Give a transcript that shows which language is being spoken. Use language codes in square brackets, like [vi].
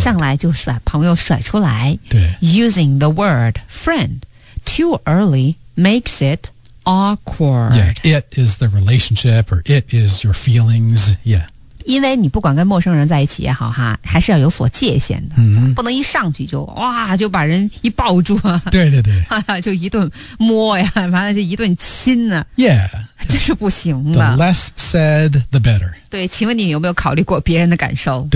[zh] 上来就是把朋友甩出来。对。 [en] Using the word friend too early makes it awkward. Yeah, it is the relationship or it is your feelings. Yeah. [zh] 因为你不管跟陌生人在一起也好哈，还是要有所界限的、嗯、不能一上去就哇就把人一抱住啊，对对对，就一顿摸呀，完了就一顿亲啊， [en] yeah， [zh] 这是不行的。 [en] The less said the better。 [zh] 对，请问你有没有考虑过别人的感受？